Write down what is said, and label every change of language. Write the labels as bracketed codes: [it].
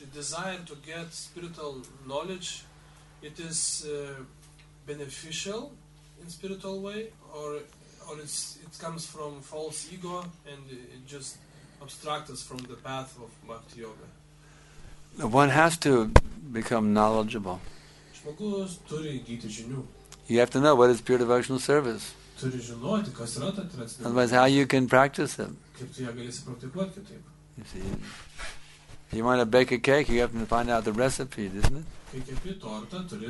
[en] The desire to get spiritual knowledge, it is beneficial in spiritual way, or it comes from false ego and it just abstracts us from the path of bhakti yoga. One has to become knowledgeable. [lt] Žmogus turi įgyti žinių. [en] You have to know what is pure devotional service. Otherwise, how you can practice it? You see, if you want to bake a cake, you have to find out the recipe, isn't it?